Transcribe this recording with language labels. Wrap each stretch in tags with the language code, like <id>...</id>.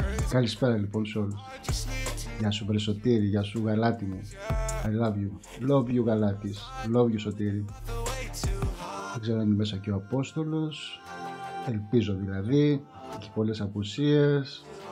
<el>Καλησπέρα λοιπόν σε όλους. Γεια σου βρε Σωτήρη, γεια σου Γαλάτη μου.</el> <en>I love you. Love you Γαλάτης. Love you Σωτήρη.</en> <el>Δεν ξέρω αν είναι μέσα και ο Απόστολος. Ελπίζω δηλαδή. Έχει πολλές απουσίες.</el>